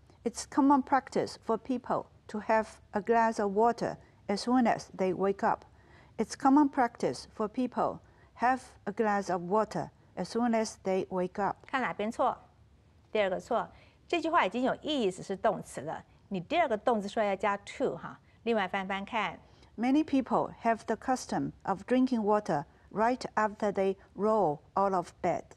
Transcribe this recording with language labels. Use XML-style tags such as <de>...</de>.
<en>It's common practice for people to have a glass of water as soon as they wake up. It's common practice for people have a glass of water as soon as they wake up.</en> <zh>看哪边错？第二个错。这句话已经有意思是动词了。你第二个动词说要加 to 哈。另外翻翻看。</zh> <en>Many people have the custom of drinking water right after they roll out of bed.</en>